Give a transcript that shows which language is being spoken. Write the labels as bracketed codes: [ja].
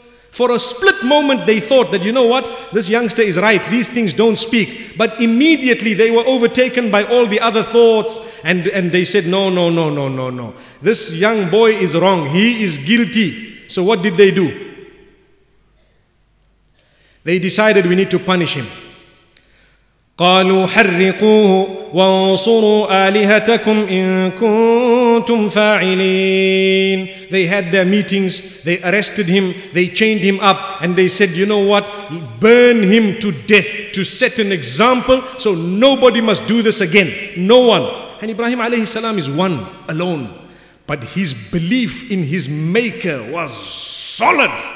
[en] For a split moment they thought that, you know what, this youngster is right, these things don't speak. But immediately they were overtaken by all the other thoughts, and they said, no, no, no, no, no, no. This young boy is wrong. He is guilty. So what did they do? They decided, we need to punish him. [ar] قالوا حرقوه وانصروا آلهتكم إن كنتم فاعلين. [en] They had their meetings, they arrested him, they chained him up, and they said, you know what, burn him to death to set an example so nobody must do this again, no one. And Ibrahim alayhi salam is one, alone. But his belief in his maker was solid.